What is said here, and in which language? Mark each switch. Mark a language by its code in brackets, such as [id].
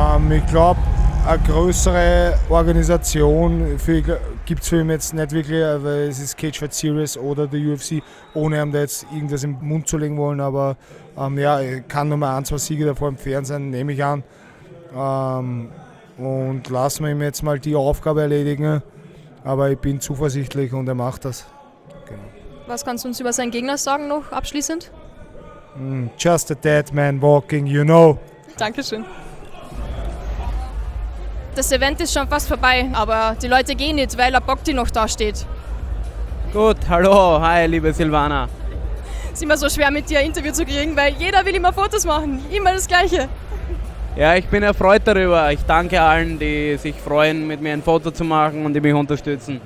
[de] Ich glaube, eine größere Organisation gibt es für ihn jetzt nicht wirklich, weil es ist Cage Fight Series oder die UFC, ohne ihm da jetzt irgendwas im Mund zu legen wollen, aber ja, kann nur mal ein, zwei Siege davor im Fernsehen, nehme ich an. Und lassen wir ihm jetzt mal die Aufgabe erledigen, aber ich bin zuversichtlich und er macht das. Genau. Was kannst du uns über seinen Gegner sagen noch abschließend? [en] Just a dead man walking, you know. [de] Dankeschön. Das Event ist schon fast vorbei, aber die Leute gehen nicht, weil der Bogdi noch da steht. Gut, hallo, hi, liebe Silvana. Es ist immer so schwer, mit dir ein Interview zu kriegen, weil jeder will immer Fotos machen, immer das Gleiche. Ja, ich bin erfreut darüber. Ich danke allen, die sich freuen, mit mir ein Foto zu machen und die mich unterstützen.